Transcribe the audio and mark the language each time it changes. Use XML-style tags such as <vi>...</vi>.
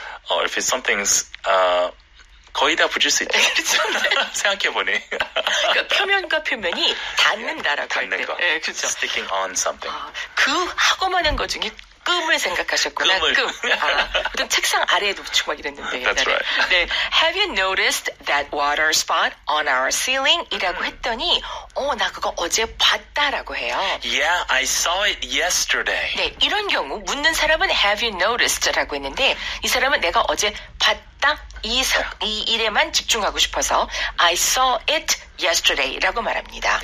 <en>If it's something's...</en> <ko>거의 다 붙일 수 있죠. 생각해보니. 그러니까 표면과 표면이 닿는다라고 할 때. 닿는 거. 네, 그렇죠.</ko> <en>Sticking on something.</en> <ko>아, 그 하고 많은 것 중에 끔을 생각하셨구나. 끔. 아, 책상 아래에도 붙이고 막 이랬는데.</ko> <en>That's</en> <ko>옛날에.</ko> <en>right. 네, Have you noticed that water spot on our ceiling?</en> <ko>이라고 했더니 어, 나 그거 어제 봤다라고 해요.</ko> <en>Yeah, I saw it yesterday.</en> <ko>네, 이런 경우 묻는 사람은</ko> <en>Have you noticed?</en> <ko>라고 했는데 이 사람은 내가 어제 봤다. 이, 사, 이 일에만 집중하고 싶어서</ko> <en>I saw it yesterday</en> <ko>라고 말합니다.</ko>